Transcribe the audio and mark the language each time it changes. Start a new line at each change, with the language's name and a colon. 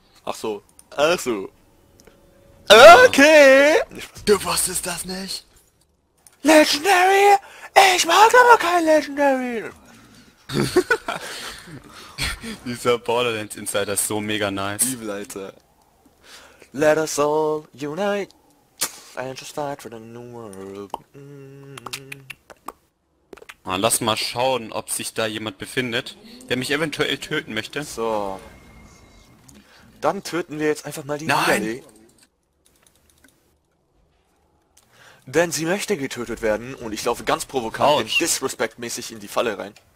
German: Ach so. Ach so. Okay. Du wusstest das nicht.
English: Legendary?
German: Ich mag aber kein Legendary. Dieser Borderlands Insider ist so mega nice. Liebe Leute.
English: Let us all unite. And just fight for the new world. Mm.
German: Lass mal schauen, ob sich da jemand befindet, der mich eventuell töten möchte. So. Dann töten wir jetzt einfach mal die Nidalee. Denn sie möchte getötet werden und ich laufe ganz provokant und disrespektmäßig in die Falle rein.